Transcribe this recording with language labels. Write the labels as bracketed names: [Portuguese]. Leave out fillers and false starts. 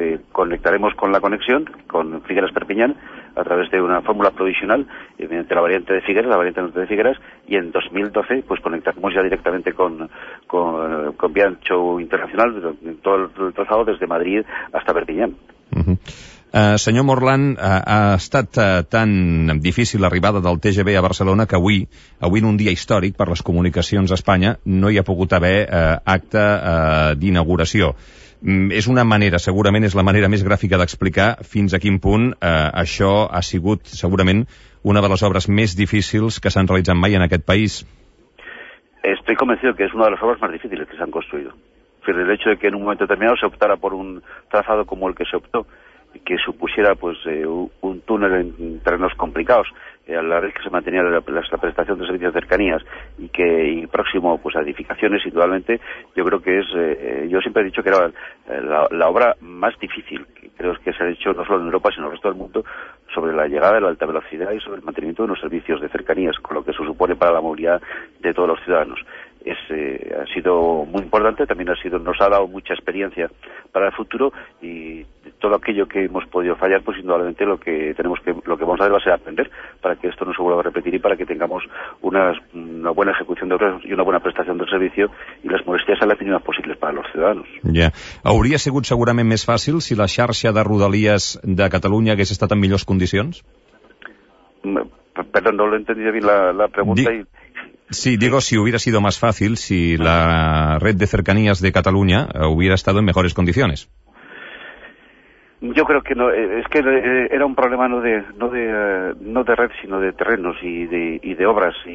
[Spanish] Conectaremos con la conexión con Figueras-Perpiñán a través de una fórmula provisional mediante la variante de Figueras, la variante norte de Figueras, y en 2012 pues conectaremos ya directamente con vía ancho internacional todo el trazado desde Madrid hasta Perpiñán. Uh-huh. [Catalan] Senyor Morlán, ha estat tan difícil l'arribada del TGV a Barcelona que avui en un dia històric per les comunicacions a Espanya no hi ha pogut haver acte d'inauguració. És una manera, segurament és la manera més gràfica d'explicar fins a quin punt això ha sigut segurament una de les obres més difícils que s'han realitzat mai en aquest país. [Spanish] Estoy convencido que es una de las obras más difíciles que se han construido. El hecho de que en un momento determinado se optara por un trazado como el que se optó, que supusiera pues un túnel en terrenos complicados, a la vez que se mantenía la prestación de servicios de cercanías y próximo pues a edificaciones, indudablemente, yo creo que es, yo siempre he dicho que era la obra más difícil que creo que se ha hecho no solo en Europa sino en el resto del mundo, sobre la llegada de la alta velocidad y sobre el mantenimiento de los servicios de cercanías, con lo que eso supone para la movilidad de todos los ciudadanos. Ha sido muy importante, también nos ha dado mucha experiencia para el futuro, y todo aquello que hemos podido fallar, pues indudablemente lo que vamos a hacer va a ser aprender para que esto no se vuelva a repetir y para que tengamos una buena ejecución de obras y una buena prestación del servicio y las molestias sean las mínimas posibles para los ciudadanos. [Catalan] Ja. Hauria sigut segurament més fàcil si la xarxa de Rodalies de Catalunya hagués estat en millors condicions? Perdó, no l'he [Spanish] entendido bien la pregunta. Sí, digo, si hubiera sido más fácil, si la red de cercanías de Cataluña hubiera estado en mejores condiciones. Yo creo que no, es que era un problema no de red, sino de terrenos y de obras.